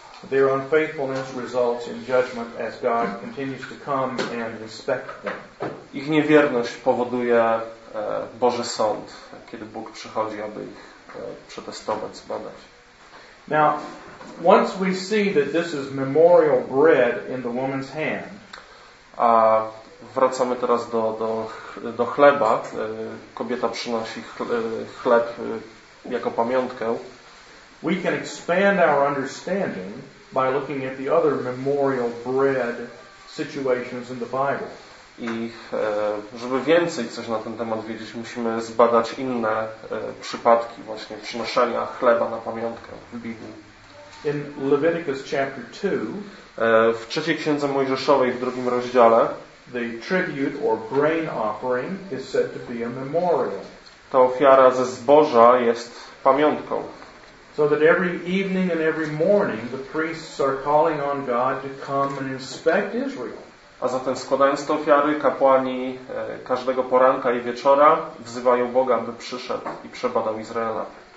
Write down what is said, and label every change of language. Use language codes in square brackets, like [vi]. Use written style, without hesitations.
[en] Their unfaithfulness results in judgment as God continues to come and inspect them. [pl] Ich niewierność powoduje Boży sąd, kiedy Bóg przychodzi, aby ich przetestować, zbadać. [en] Now, once we see that this is memorial bread in the woman's hand. [pl] A wracamy teraz do chleba. Kobieta przynosi chleb jako pamiątkę. [en] We can expand our understanding by looking at the other memorial bread situations in the Bible. [pl] I żeby więcej coś na ten temat wiedzieć, musimy zbadać inne przypadki właśnie przynoszenia chleba na pamiątkę w Biblii. [en] In Leviticus chapter 2, [pl] w trzeciej księdze Mojżeszowej w drugim rozdziale, [en] the tribute or grain offering is said to be a memorial. [pl] Ta ofiara ze zboża jest pamiątką. [en] So that every evening and every morning the priests are calling on God to come and inspect Israel. [pl] A zatem składając te ofiary, kapłani każdego poranka i wieczora wzywają Boga, aby przyszedł i przebadał Izraela.